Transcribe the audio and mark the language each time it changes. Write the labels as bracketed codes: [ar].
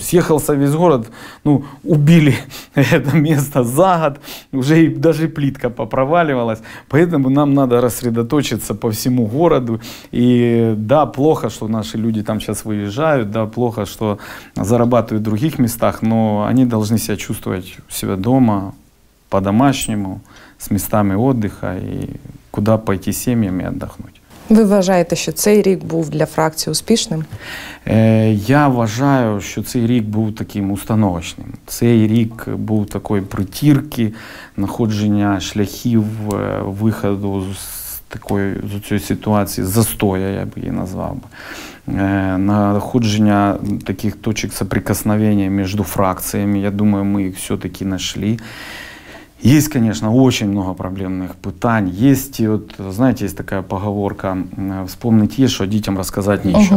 [ru] Съехался весь город, ну, убили это место за год, уже и даже плитка попроваливалась, поэтому нам надо рассредоточиться по всему городу. И да, плохо, что наши люди там сейчас выезжают, да, плохо, что зарабатывают в других местах, но они должны себя чувствовать у себя дома, по-домашнему, с местами отдыха и куда пойти с семьями отдохнуть. [uk] Ви вважаєте, що цей рік був для фракції успішним? Я вважаю, що цей рік був таким установочним. Цей рік був такої притірки, знаходження шляхів виходу з цієї ситуації, застоя, я б її назвав би. Находження таких точок соприкосновення між фракціями, я думаю, ми їх все-таки знайшли. [ru] Есть, конечно, очень много проблемных питань. Есть, вот, знаете, есть такая поговорка, вспомнить есть, что детям рассказать нечего.